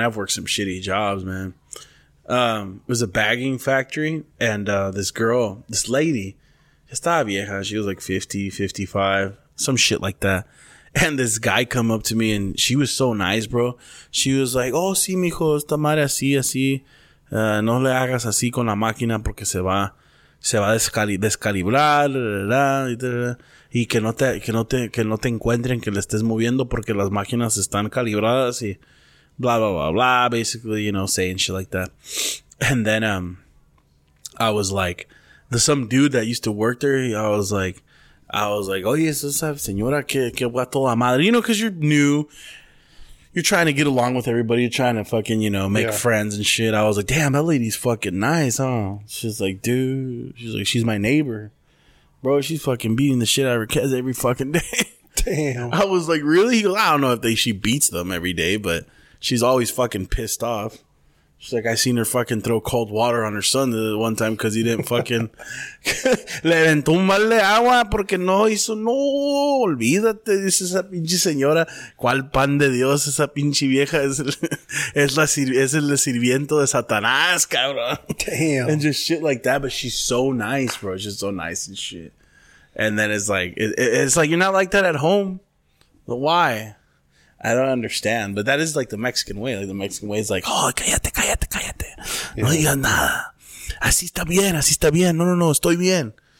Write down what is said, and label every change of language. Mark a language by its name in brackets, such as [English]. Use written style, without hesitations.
[English] I've worked some shitty jobs, man. It was a bagging factory and this lady, [Spanish] estaba vieja, [English] she was like 50, 55, some shit like that. And this guy come up to me and she was so nice, bro. She was like, oh, [Spanish] sí, mijo, esta madre así. No le hagas así con la máquina porque se va a descalibrar. Y que no te encuentren que le estés moviendo porque las máquinas están calibradas y blah, blah, blah, blah. [English] Basically, you know, saying shit like that. And then, I was like, there's some dude that used to work there. I was like, [Spanish] oye, esa señora que va toda madre. [English] You know, because you're new. You're trying to get along with everybody. You're trying to fucking, you know, make friends and shit. I was like, damn, that lady's fucking nice, huh? She's like, dude. She's like, she's my neighbor. Bro, she's fucking beating the shit out of her kids every fucking day. Damn. I was like, really? He goes, I don't know if she beats them every day, but she's always fucking pissed off. She's like, I seen her fucking throw cold water on her son the one time because he didn't fucking. [Spanish] Le aventó un balde agua porque no hizo. No, olvídate, dice esa pinche señora. ¿Cuál pan de Dios? Esa pinche vieja es el sirviento de Satanás, cabrón. [English] Damn. And just shit like that. But she's so nice, bro. She's so nice and shit. And then it's like, it's like, you're not like that at home. But why? I don't understand, but that is like the Mexican way. Like the Mexican way is like, oh, cállate. [Spanish] Yeah. No digas nada. Así está bien. No, estoy bien.